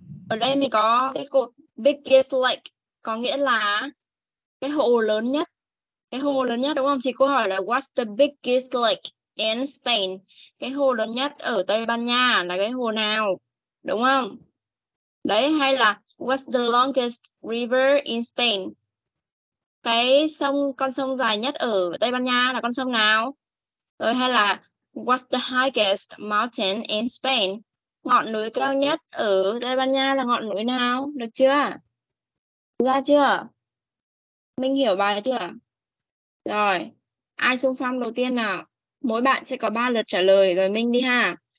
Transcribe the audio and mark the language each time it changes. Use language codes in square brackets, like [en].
[vi] Ở đây mình có cái cột biggest lake, có nghĩa là cái hồ lớn nhất. Cái hồ lớn nhất đúng không? Thì cô hỏi là [en] What's the biggest lake in Spain? [vi] Cái hồ lớn nhất ở Tây Ban Nha là cái hồ nào? Đúng không? Đấy, hay là [en] What's the longest river in Spain? [vi] Cái sông, con sông dài nhất ở Tây Ban Nha là con sông nào? Rồi hay là [en] What's the highest mountain in Spain? [vi] Ngọn núi cao nhất ở Tây Ban Nha là ngọn núi nào? Được chưa? Ra chưa? Mình hiểu bài chưa? Rồi, ai xung phong đầu tiên nào? Mỗi bạn sẽ có 3 lượt trả lời rồi mình đi ha.